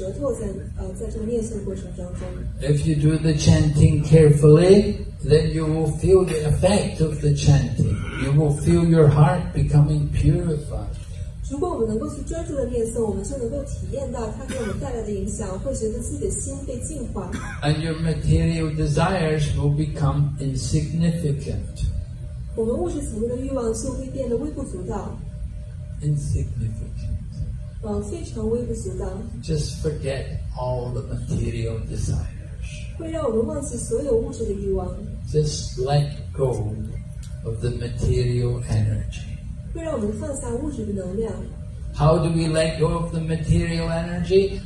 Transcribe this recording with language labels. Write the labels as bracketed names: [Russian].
[English] If you do the chanting carefully, then you will feel the effect of the chanting. You will feel your heart becoming purified. [Chinese] 如果我们能够去专注的念诵，我们就能够体验到它给我们带来的影响，会随着自己的心被净化。 [English] And your material desires will become insignificant. [Chinese] 我们物质层面的欲望就会变得微不足道。 [English] Insignificant. [Chinese] 非常微不足道。 [English] Just forget all the material desires. [Chinese] 会让我们忘记所有物质的欲望。 [English] Just let go of the material energy. [Chinese] 会让我们放下物质的能量。 [English] How do we let go of the material energy?